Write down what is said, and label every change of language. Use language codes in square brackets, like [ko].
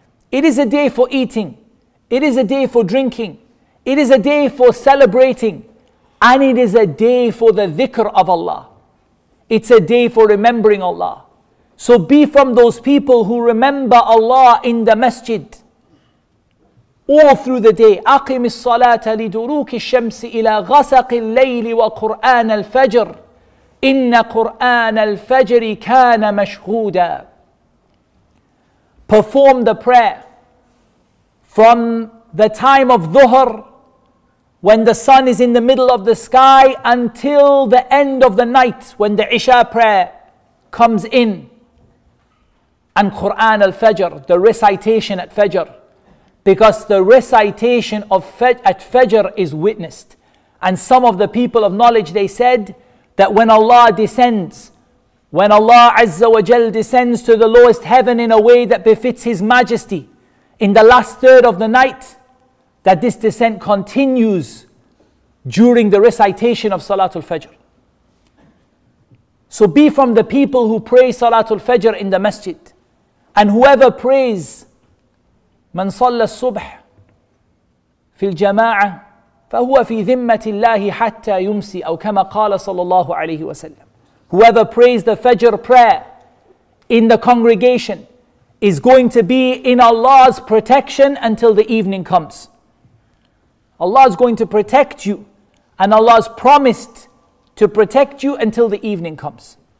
[en] It is a day for eating. It is a day for drinking. It is a day for celebrating. And it is a day for the dhikr of Allah. It's a day for remembering Allah. So be from those people who remember Allah in the masjid all through the day. [ar] أقم الصلاة لدروك الشمس إلى غسق الليل وقرآن الفجر إن قرآن الفجر كان مشهودا. [en] Perform the prayer from the time of dhuhr, when the sun is in the middle of the sky, until the end of the night when the Isha prayer comes in. And Qur'an al-Fajr, the recitation at Fajr. Because the recitation of at Fajr is witnessed. And some of the people of knowledge, they said that when Allah descends, when Allah Azza wa Jal descends to the lowest heaven in a way that befits His majesty, in the last third of the night, that this descent continues during the recitation of Salatul Fajr. So be from the people who pray Salatul Fajr in the masjid. And whoever prays, [ar] من صلى الصبح في الجماعة فهو في ذمة الله حتى يمسي أو كما قال صلى الله عليه وسلم. [en] Whoever prays the Fajr prayer in the congregation is going to be in Allah's protection until the evening comes. Allah is going to protect you, and Allah has promised to protect you until the evening comes.